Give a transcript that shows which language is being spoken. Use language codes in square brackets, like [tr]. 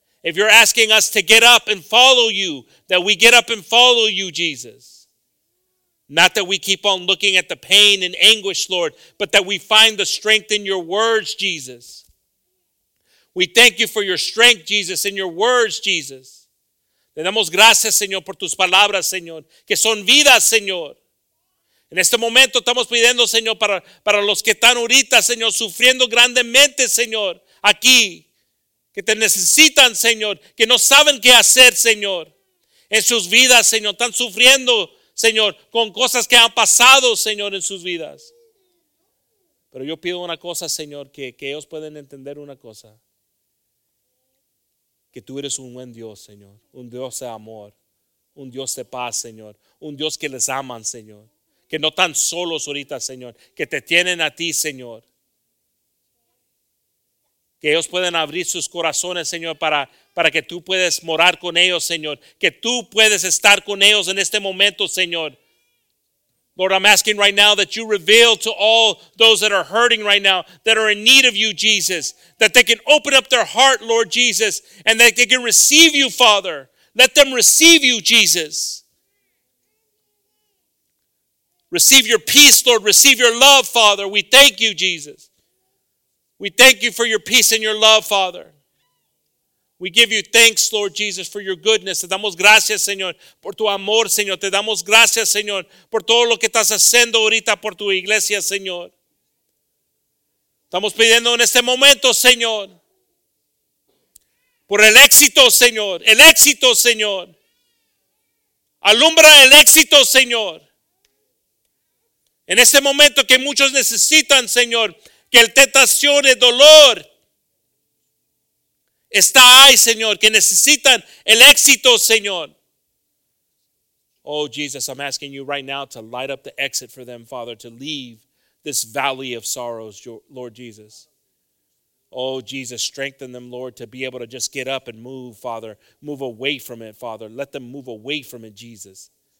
[en] If you're asking us to get up and follow you, that we get up and follow you, Jesus. Not that we keep on looking at the pain and anguish, Lord, but that we find the strength in your words, Jesus. We thank you for your strength, Jesus, in your words, Jesus. [es] Te damos gracias, Señor, por tus palabras, Señor, que son vidas, Señor. En este momento estamos pidiendo, Señor, para los que están ahorita, Señor, sufriendo grandemente, Señor, aquí, que te necesitan, Señor, que no saben qué hacer, Señor, en sus vidas, Señor. Están sufriendo, Señor, con cosas que han pasado, Señor, en sus vidas. Pero yo pido una cosa, Señor, que ellos pueden entender una cosa. Que tú eres un buen Dios, Señor, un Dios de amor, un Dios de paz, Señor, un Dios que les aman, Señor, que no están solos ahorita, Señor, que te tienen a ti, Señor. Que ellos pueden abrir sus corazones, Señor, para que tú puedas morar con ellos, Señor, que tú puedes estar con ellos en este momento, Señor. [en] Lord, I'm asking right now that you reveal to all those that are hurting right now, that are in need of you, Jesus, that they can open up their heart, Lord Jesus, and that they can receive you, Father. Let them receive you, Jesus. Receive your peace, Lord. Receive your love, Father. We thank you, Jesus. We thank you for your peace and your love, Father. We give you thanks, Lord Jesus, for your goodness. [es] Te damos gracias, Señor, por tu amor, Señor. Te damos gracias, Señor, por todo lo que estás haciendo ahorita por tu iglesia, Señor. Estamos pidiendo en este momento, Señor, por el éxito, Señor. El éxito, Señor. Alumbra el éxito, Señor. En este momento que muchos necesitan, Señor, que el tentación, el dolor está ahí, Señor, que necesitan el éxito, Señor. [en] Oh, Jesus, I'm asking you right now to light up the exit for them, Father, to leave this valley of sorrows, Lord Jesus. Oh, Jesus, strengthen them, Lord, to be able to just get up and move, Father. Move away from it, Father. Let them move away from it, Jesus.